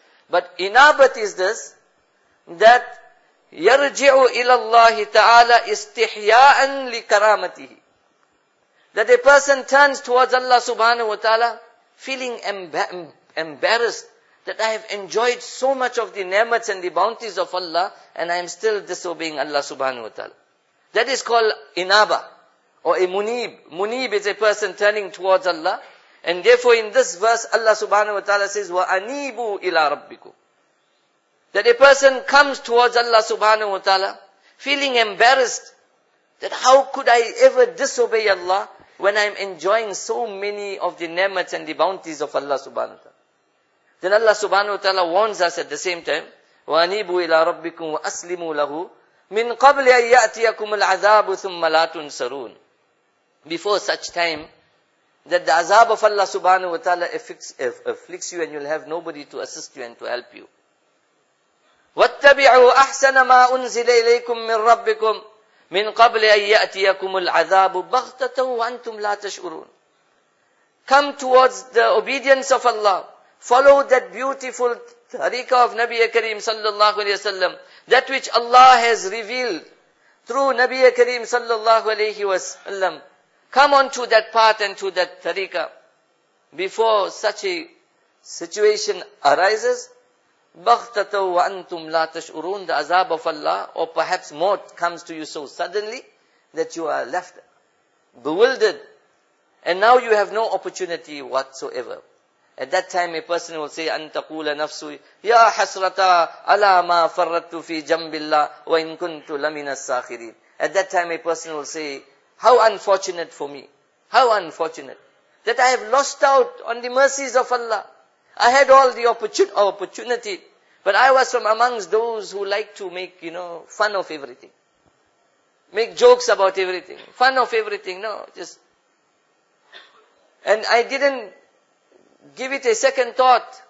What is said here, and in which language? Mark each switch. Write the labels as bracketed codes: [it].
[en] But inabat is this, that [ar] يَرْجِعُ إِلَى اللَّهِ تَعَالَى إِسْتِحْيَاءً لِكَرَامَتِهِ. [en] That a person turns towards Allah subhanahu wa ta'ala feeling embarrassed that I have enjoyed so much of the ni'mats and the bounties of Allah and I am still disobeying Allah subhanahu wa ta'ala. That is called inaba or a munib. Munib is a person turning towards Allah. And therefore in this verse Allah subhanahu wa ta'ala says, [ar] وَأَنِيبُوا إِلَىٰ رَبِّكُمْ. [en] That a person comes towards Allah subhanahu wa ta'ala feeling embarrassed that how could I ever disobey Allah when I'm enjoying so many of the ni'mats and the bounties of Allah subhanahu wa ta'ala. Then Allah subhanahu wa ta'ala warns us at the same time, [ar] وَأَنِيبُوا إِلَىٰ رَبِّكُمْ وَأَسْلِمُوا لَهُ مِنْ قَبْلِ أَن يَأْتِيَكُمُ الْعَذَابُ ثُمَّ لَا تُنْصَرُونَ. [en] Before such time that the azab of Allah subhanahu wa ta'ala afflicts you and you'll have nobody to assist you and to help you. [ar] وَاتَّبِعُوا أَحْسَنَ مَا أُنزِلَ إِلَيْكُم مِّن رَّبِّكُمْ مِّن قَبْلِ أَن يَأْتِيَكُمُ الْعَذَابُ بَغْتَةً وَأَنتُمْ لَا تَشْعُرُونَ. [en] Come towards the obedience of Allah. Follow that beautiful tariqah of Nabi Kareem sallallahu alayhi wa sallam. That which Allah has revealed through Nabi Kareem sallallahu alayhi wa sallam. Come onto that path and to that tariqah. Before such a situation arises, [ar] بَغْتَةً وَأَنْتُمْ لَا تَشْعُرُونَ. [en] The azab of Allah, or perhaps more, comes to you so suddenly that you are left bewildered. And now you have no opportunity whatsoever. At that time a person will say, [ar] أَنْ تَقُولَ نَفْسُي يَا حَسْرَةَ عَلَى مَا فَرَّتُ فِي جَنْبِ اللَّهِ وَإِنْ كُنْتُ لَمِنَ السَّاخِرِينَ. [en] At that time a person will say, how unfortunate for me. How unfortunate that I have lost out on the mercies of Allah. I had all the opportunity, but I was from amongst those who like to make, fun of everything. Make jokes about everything. Fun of everything, And I didn't give it a second thought.